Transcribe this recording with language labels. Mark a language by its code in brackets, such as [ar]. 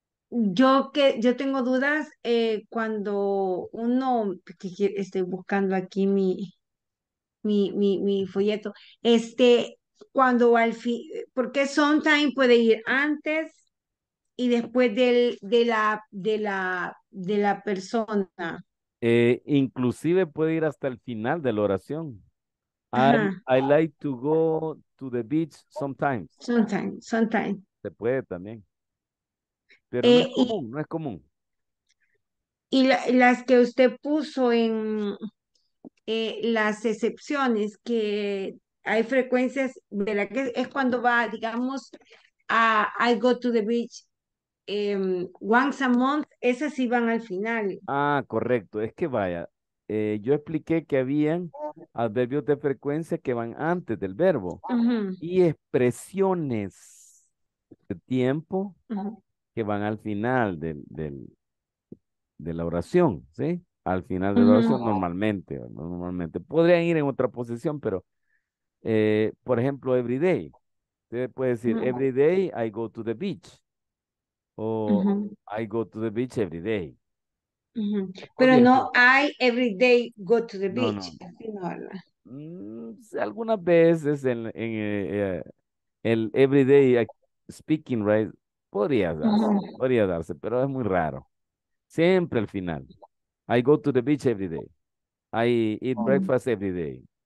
[es] Yo tengo dudas cuando uno que estoy buscando aquí mi folleto, cuando al fin, porque sometime puede ir antes y después de la persona. Inclusive puede ir hasta el final de la oración. [en] I like to go to the beach sometimes. Sometimes. [es] Se puede también. Pero no es común. Y las que usted puso en las excepciones, que hay frecuencias, ¿verdad? Que es cuando va, digamos, a [en] I go to the beach once a month, [es] esas sí van al final. Ah, correcto. Es que vaya, yo expliqué que habían adverbios de frecuencia que van antes del verbo. Uh-huh. Y expresiones de tiempo. Uh-huh. Que van al final de la oración, ¿sí? Al final de la oración, normalmente. Podrían ir en otra posición, pero, por ejemplo, [en] every day. [es] Usted puede decir, [en] every day I go to the beach. [es] O [en] I go to the beach every day. [es] Pero no, [en] I every day go to the beach. [es] No. Algunas veces en el [en] every day speaking, right? [es] Podría darse, pero es muy raro. Siempre al final. [en] I go to the beach every day. I eat breakfast every day.